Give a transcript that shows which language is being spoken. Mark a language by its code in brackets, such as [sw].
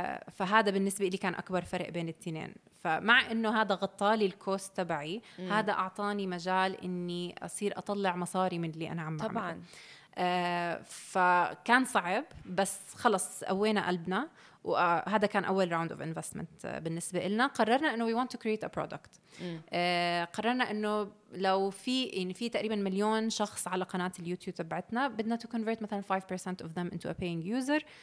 [ar] فهذا بالنسبة لي كان أكبر فرق بين التنين، فمع أنه هذا غطالي الكوست تبعي هذا أعطاني مجال أني أصير أطلع مصاري من اللي أنا عم طبعا عمل. فكان صعب بس خلص قوينا قلبنا، وهذا كان أول راوند [en] of investment [ar] بالنسبة لنا. قررنا أنه [en] we want to create a product. [ar] قررنا أنه لو في يعني في تقريبا 1 مليون شخص على قناة اليوتيوب تبعتنا، بدنا [en] to convert [ar] مثلا [en] 5% of them into a paying user.